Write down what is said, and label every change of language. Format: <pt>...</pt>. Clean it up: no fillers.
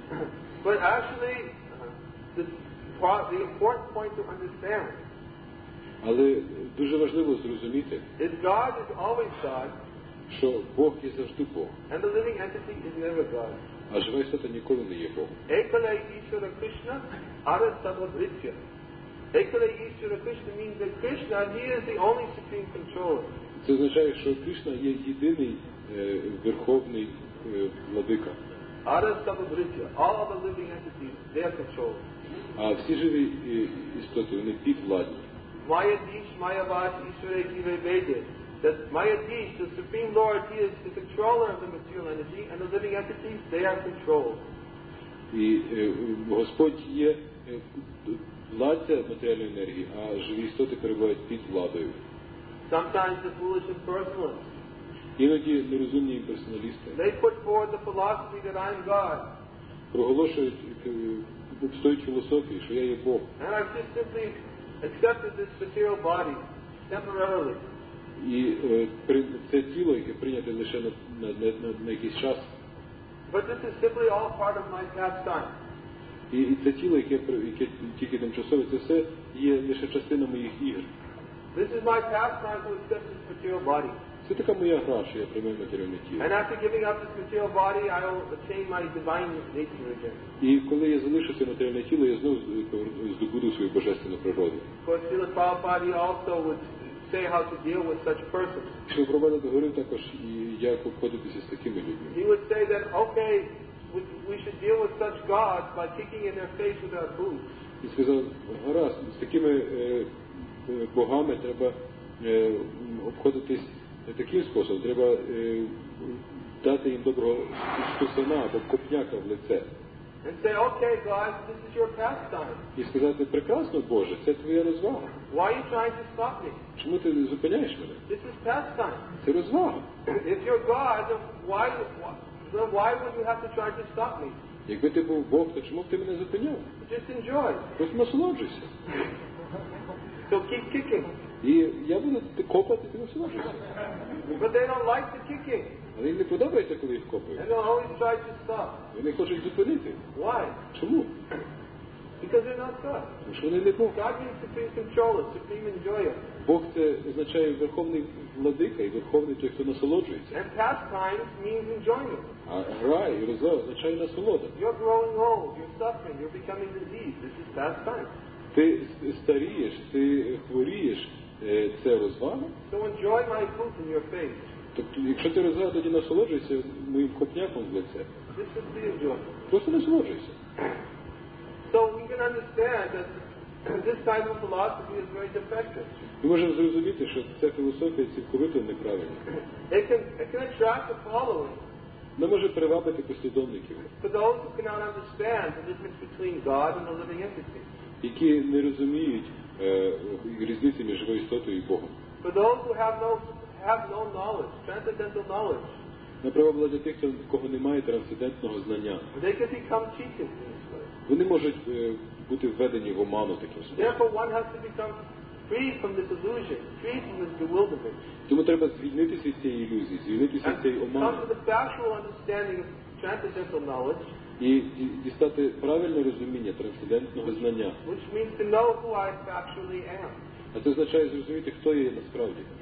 <en>But actually, the important point to understand.</en> <uk>Але дуже важливо зрозуміти,</uk> <en>if God is always God,</en> <uk>що Бог є завжди Бог.</uk> <en>And the living entity is never God.</en> <uk>А жива істота ніколи не є Бог.</uk> <sa>Ekala Ishvara Krishna Arasadvadritya.</sa> <en>Ekala Ishvara Krishna means that Krishna, he is the only supreme controller.</en> <uk>Це означає, що Кришна є єдиний верховний владика.</uk> <en>Arasadvadritya. All the living entities, they are controlled.</en> <uk>А всі живі істоти, вони підвладні.</uk> <sa>Mayadish, Mayavad, Ishvara, Jive, Vedya.</sa> <en>That Mayadish, the Supreme Lord, he is the controller of the material energy, and the living entities, they are controlled.</en> <uk>І Господь є владця матеріальної енергії, а живі істоти перебувають під владою.</uk> <en>Sometimes the foolish impersonalists.</en> <uk>Іноді нерозумні імперсоналісти.</uk> <en>They put forward the philosophy that I am God.</en> <uk>Проголошують, обстоюють філософію, що я є Бог.</uk> <en>And I've just simply accepted this material body temporarily.</en> <uk>І це тіло, яке прийняте лише на якийсь час.</uk> <en>But this is simply all part of my pastime.</en> <uk>І це тіло, яке тільки тимчасове, це все є лише частина моїх ігор.</uk> <en>This is my pastime to accept this material body.</en> <uk>Це така моя гра, що я приймаю матеріальне тіло.</uk> <en>And after giving up this material body, I will attain my divine nature again.</en> <uk>І коли я залишу це матеріальне тіло, я знову здобуду свою божественну природу.</uk> <en>Srila Prabhupada also would say how to deal with such persons.</en> <uk>Srila Prabhupada говорив також, як обходитися з такими людьми.</uk> <en>He would say that, okay, we should deal with such gods by kicking in their face with our boots.</en> <uk>І сказав, гаразд, з такими богами треба обходитись таким способом, треба дати їм доброго штусана або копняка в лице.</uk> <en>And say, okay, guys, this is your pastime.</en> <uk>І сказати, прекрасно, Боже, це твоя розвага.</uk> <en>Why are you trying to stop me?</en> <uk>Чому ти зупиняєш мене?</uk> <en>This is pastime.</en> <uk>Це розвага.</uk> <en>If you're God, then why would you have to try to stop me?</en> <uk>Якби ти був Бог, то чому б ти мене зупиняв?</uk> <en>Just enjoy.</en> <uk>Просто насолоджуйся.</uk> <en>So keep kicking.</en> <uk>І я буду копати, ти не всіляєшся.</uk> <en>But they don't like the kicking.</en> <uk>Але їм не подобається, коли їх копають.</uk> <en>And they'll always try to stop.</en> <uk>Вони хочуть зупинити.</uk> <en>Why?</en> <uk>Чому?</uk> <en>Because they're not God.</en> <uk>Тому що вони не Бог.</uk> <en>God means supreme controller, supreme enjoyer.</en> <uk>Бог – це означає верховний владика і верховний той, хто насолоджується.</uk> <en>And pastime means enjoyment.</en> <uk>А гра і розвага означає насолода.</uk> <en>You're growing old, you're suffering, you're becoming diseased. This is pastime.</en> <uk>Ти старієш, ти хворієш, це розвага.</uk> <en>So enjoy my food in your face.</en> <uk>Тобто, якщо ти розвага, тоді насолоджуйся моїм копняком в лице.</uk> <en>This is the enjoyment.</en> <uk>Просто насолоджуйся.</uk> <en>So we can understand that this type of philosophy is very defective.</en> <uk>Ми можемо зрозуміти, що ця філософія цілковито неправильна.</uk> <en>It can attract a following.</en> <uk>Не може привабити послідовників.</uk> <en>For those who cannot understand the difference between God and the living entity.</en> <uk>Які не розуміють різниці між живою істотою і Богом.</uk> <en>For those who have no knowledge, transcendental knowledge.</en> <uk>Наприклад, для тих, кого немає трансцендентного знання.</uk> <en>They can become cheated in this way.</en> <uk>Вони можуть бути введені в оману таким способом.</uk> <en>Therefore one has to become free from this illusion, free from this bewilderment.</en> <uk>Тому треба звільнитися від цієї ілюзії, звільнитися від цієї омани.</uk> <en>And come to the factual understanding of transcendental knowledge.</en> <uk>І дістати правильне розуміння трансцендентного знання.</uk> <en>Which means to know who I actually am.</en> <uk>А це означає зрозуміти, хто є насправді.</uk>